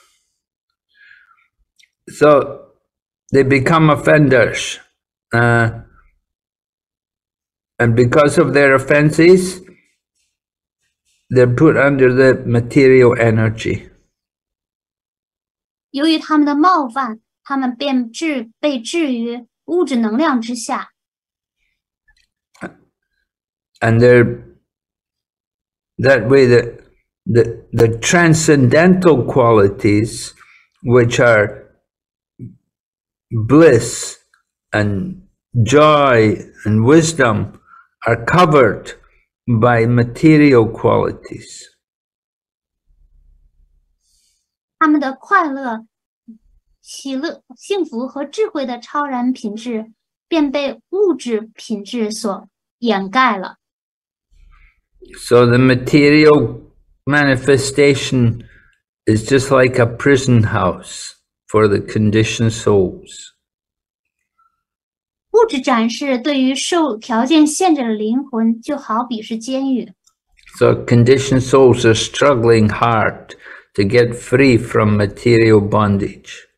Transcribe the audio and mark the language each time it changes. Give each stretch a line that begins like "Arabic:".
Chinese: 我现在可以跟你洗脚吗？要不要？我还讲课。好，你好，对不起，那几点？我还需要20分钟。
English: So they become offenders. And because of their offenses, they're put under the material energy.
Chinese: 由于他们的冒犯, 他们被制约物质能量之下。
English: And they're, that way the transcendental qualities, which are bliss and joy and wisdom, are covered by material qualities.
Chinese: 他们的快乐, 喜乐, 幸福和智慧的超然品质, 便被物质品质所掩盖了。
English: So the material manifestation is just like a prison house for the conditioned souls.
Chinese: 物质展示对于受条件限制的灵魂就好比是监狱。
English: So conditioned souls are struggling hard to get free from material bondage.